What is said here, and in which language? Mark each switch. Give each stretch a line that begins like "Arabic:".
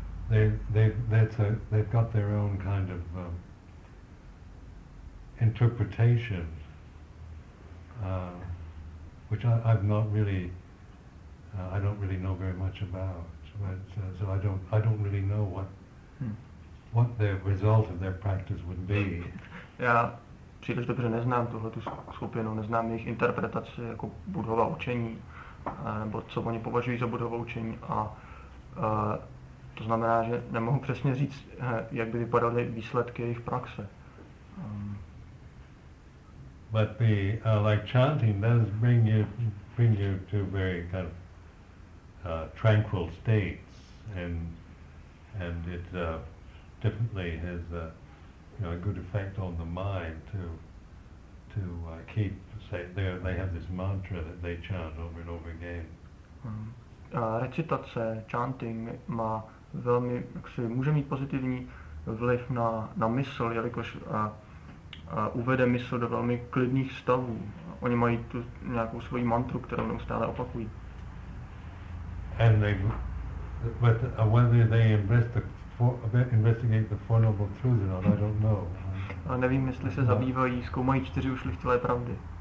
English: They've got their own kind of interpretation, which I've not really. I don't really know very much about. So I don't really know what the result of their practice would be. Yeah.
Czech: Příliš dobře neznám tuhletu skupinu, neznám jejich interpretaci jako budhova učení, nebo co oni považují za budhova učení. A to znamená, že nemohu přesně říct, jak by vypadaly výsledky jejich praxe.
English: But the like chanting does bring you to very kind of tranquil states, and it definitely has a good effect on the mind too. to keep, say, they have this mantra that they chant over and over again.
Czech: Recitace, chanting má velmi, jaksi, může mít pozitivní vliv na mysl, jelikož uvede mysl do velmi klidných stavů. Oni mají tu nějakou svoji mantru, kterou neustále opakují.
English: And they, but whether they investigate the Four Noble Truths or not, I don't know.
Czech: A nevím, jestli se zabývají, zkoumají čtyři ušlechtilé pravdy.